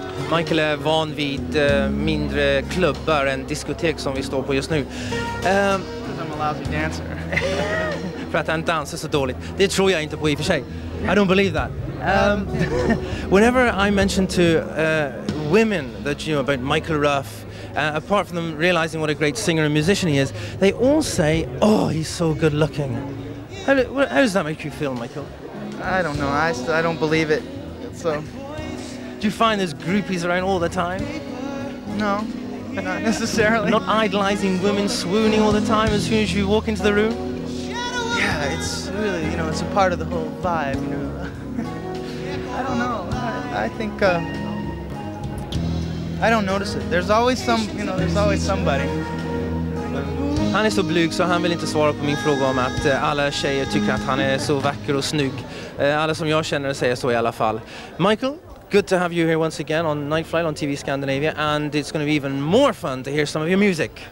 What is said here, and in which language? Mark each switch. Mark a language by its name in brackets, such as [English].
[Swedish] Michael är van vid mindre klubbar än diskotek som vi står på just nu. [English] I'm a lousy dancer. [Swedish] För att han dansar så dåligt. Det tror jag inte på i och för sig. [English] I don't believe that. Whenever I mention to women that you know about Michael Ruff, apart from them realizing what a great singer and musician he is, they all say, oh, he's so good looking. How does that make you feel, Michael? I don't know. I don't believe it. So. Do you find there's groupies around all the time? No, not necessarily. Not idolizing women, swooning all the time as soon as you walk into the room? Yeah, it's really, you know, it's a part of the whole vibe, you know. I don't know. I think, I don't notice it. There's always some, you know, there's always somebody. [Swedish] Han är så blyg så han vill inte svara på min fråga om att alla tjejer tycker att han är så vacker och snygg. Alla som jag känner säger så i alla fall. Michael? [English] good to have you here once again on Nightflight on TV Scandinavia, and it's going to be even more fun to hear some of your music.